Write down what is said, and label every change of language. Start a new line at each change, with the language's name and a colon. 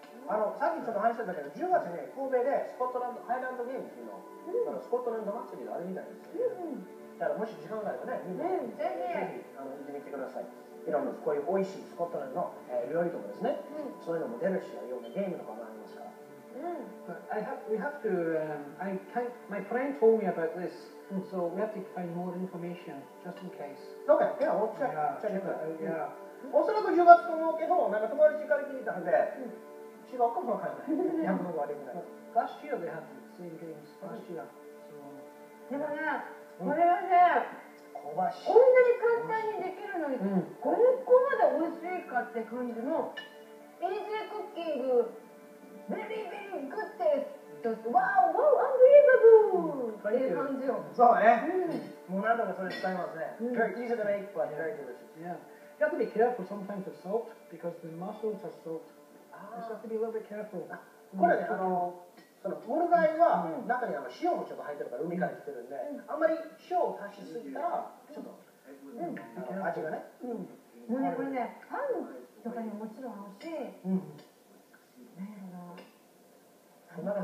Japanese: さっきちょっと話してたけど、10月ね、神戸でスコットランド、ハイランドゲームっていうの、スコットランド祭りがあるみたいですよ。だからもし時間があればね、ぜひ行ってみてください。いろんなこういう美味しいスコットランドの、料理とかですね、そういうのも出るし、いろんなゲームとかもありますから。
English: I can't, my friend told me about this, so we have to find more information just in case. Okay, yeah, we'll check it out. Yeah.
Japanese: おそらく10月と思うけど、なんか友達から聞いたんで、違うかもわかんない。やむのが悪いみたいな。
English: Last year they had the same games, last year.
Japanese: でもね、これはね、香ばしい。こんなに簡単にできるのに、ここまで美味しいかって感じの、
English: イージークッキング、ベリーベリーグッテス、ワオワオアンビリバブー
Japanese: っていう感じよ。そうね。もう何度もそれ使いますね。
English: Very easy to make, but very delicious. Yeah. You have to be careful sometimes with salt, because the mushrooms are salt. You have to be a little bit careful.
Japanese: これね、モルガイは中に塩もちょっと入ってるから海から来てるんで、あんまり塩を足しすぎたらちょっと味がね。もうね、これね、パンとかにももちろん合うし、何やろな。